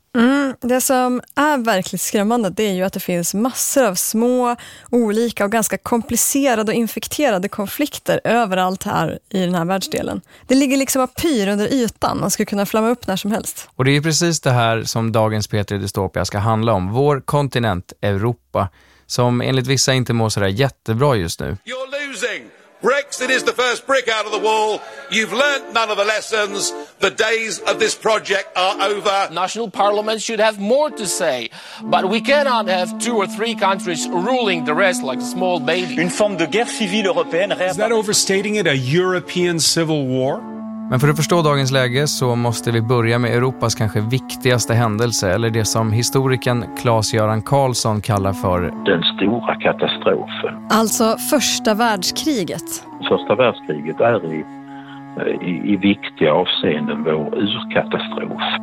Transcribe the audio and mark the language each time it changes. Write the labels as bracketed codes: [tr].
[sv] Mm, det som är verkligt skrämmande det är ju att det finns massor av små, olika och ganska komplicerade och infekterade konflikter överallt här i den här världsdelen. Det ligger liksom av pyr under ytan och skulle kunna flamma upp när som helst. Och det är precis det här som dagens Petri Dystopia ska handla om. Vår kontinent, Europa, som enligt vissa inte mår sådär jättebra just nu. [en] You're losing! Brexit is the first brick out of the wall. You've learned none of the lessons. The days of this project are over. National parliaments should have more to say, but we cannot have two or three countries ruling the rest like a small baby. [fr] Une forme de guerre civile européenne. [en] Is that overstating it, a European civil war? [sv] Men för att förstå dagens läge så måste vi börja med Europas kanske viktigaste händelse, eller det som historikern Claes-Göran Carlsson kallar för den stora katastrofen. Alltså första världskriget. Första världskriget är i viktiga avseenden vår urkatastrof.